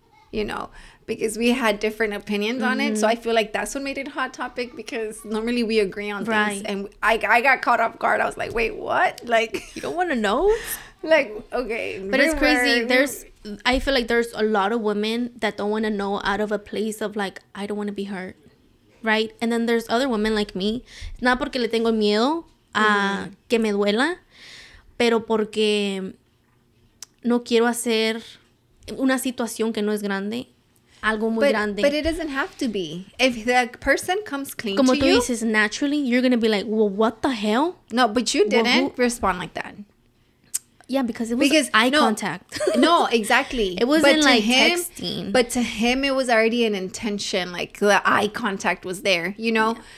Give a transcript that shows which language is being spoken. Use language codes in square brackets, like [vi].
[en] You know, because we had different opinions on it. So I feel like that's what made it a hot topic, because normally we agree on things. And I got caught off guard. I was like, wait, what? Like, you don't want to know? Like, okay. But it's crazy. I feel like there's a lot of women that don't want to know out of a place of like, I don't want to be hurt. Right? And then there's other women like me. Not [es] porque le tengo miedo. Que me duela, pero porque no quiero hacer una situación que no es grande, algo muy grande. [en] But it doesn't have to be. If the person comes clean [es] como [en] to you, [es] como tú dices, [en] naturally, you're going to be like, well, what the hell? No, but you didn't respond like that. Yeah, because it was eye contact. No, exactly. It wasn't texting. But to him, it was already an intention. Like, the eye contact was there, you know?